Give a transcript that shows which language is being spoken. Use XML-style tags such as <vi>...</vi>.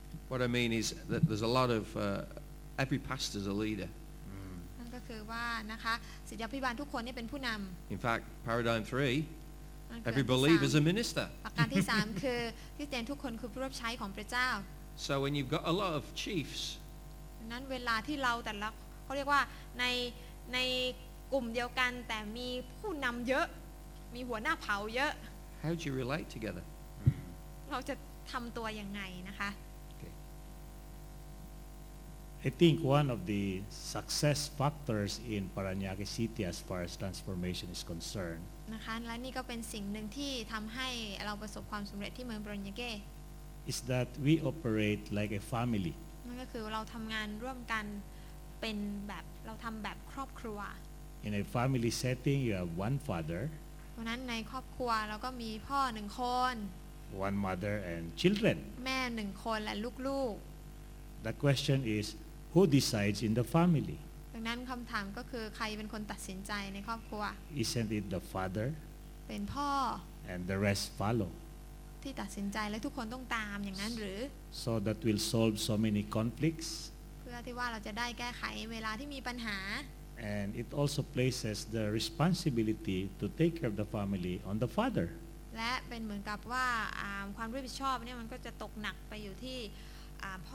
<en>What I mean is that there's a lot of every pastor's a leader</en> <th>นั่นก็คือว่านะคะศิษยาภิบาลทุกคนนี่เป็นผู้นำ</th> <en>In fact paradigm 3 every believer is a minister</en> <th>ประการที่3คือที่เตือนทุกคนคือผู้รับใช้ของพระเจ้า</th> <en>So when you've got a lot of chiefs</en> <th>นั้นเวลาที่เราแต่ละเขาเรียกว่าในกลุ่มเดียวกันแต่มีผู้นำเยอะมีหัวหน้าเผาเยอะ</th> <en>How do you relate together</en> <th>เราจะทำตัวยังไงนะคะ</th> <en>I think one of the success factors in Parañaque City as far as transformation is concerned</en> <th>นะคะและนี่ก็เป็นสิ่งหนึ่งที่ทำให้เราประสบความสำเร็จที่เมืองปารัญญาเก้</th> <en>is that we operate like a family</en> <th>นั่นก็คือเราทำงานร่วมกันเป็นแบบเราทำแบบครอบครัว</th> <en>In a family setting you have one father</en> <th>เพราะนั้นในครอบครัวเราก็มีพ่อ1คน</th> <en>One mother and children</en> <th>แม่1คนและลูก</th> <en>ๆ The question is who decides in the family</en> <th>ดังนั้นคำถามก็คือใครเป็นคนตัดสินใจในครอบครัว</th> <en>Isn't it the father</en> <th>เป็นพ่อ</th> <en>And the rest follow</en> <th>ที่ตัดสินใจและทุกคนต้องตามอย่างนั้นหรือ</th> <en>So that will solve so many conflicts</en> <th>เพื่อที่ว่าเราจะได้แก้ไขเวลาที่มีปัญหา</th> <en>And it also places the responsibility to take care of the family on the father</en> <th>และเป็นเหมือนกับว่าความรับผิดชอบเนี่ยมันก็จะตกหนักไปอยู่ที่พ</th>